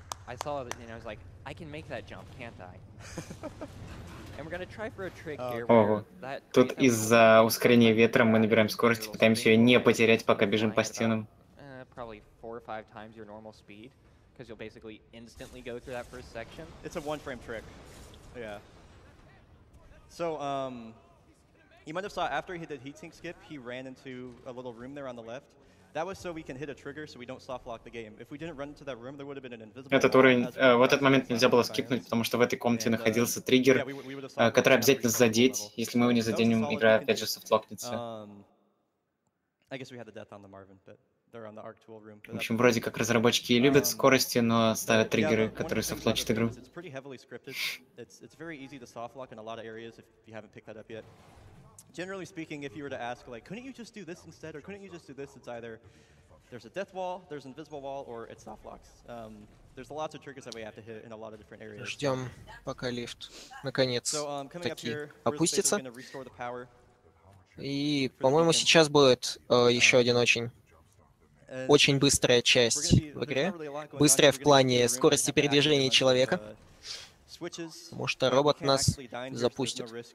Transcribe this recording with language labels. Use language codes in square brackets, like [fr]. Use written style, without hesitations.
[en] I saw it and I was like, I can make that jump, can't I? And we're gonna try for a trick here. [ru] Ого, тут из-за ускорения ветром мы набираем скорость и пытаемся ее не потерять, пока бежим по стенам. [en] Probably 4 or 5 times your normal speed, because you'll basically instantly go through that first section. It's a one-frame trick. Yeah. So, you might have saw after he did heatsink skip, he ran into a little room there on the left. That was so we can hit a trigger, so we don't softlock the game. If we didn't run into that room, there would have been an invisible. [ru] Этот уровень, в этот момент нельзя было скипнуть, потому что в этой комнате находился триггер, который обязательно задеть. Если мы его не заденем, игра опять же софтлокнется. В общем, вроде как разработчики и любят скорости, но ставят триггеры, которые софтлочат игру. [en] It's pretty heavily scripted. It's very easy to softlock in a lot of areas if you haven't picked that up yet. Generally speaking, if you were to ask, like, couldn't you just do this instead, or couldn't you just do this, it's either there's a death wall, there's an invisible wall, or it's softlocks. There's lots of triggers that we have to hit in a lot of different areas. [ru] Ждем, пока лифт, наконец, таки опустится. И, по-моему, сейчас будет еще один очень быстрая часть в игре. Быстрая в плане скорости передвижения человека. Потому что робот нас запустит.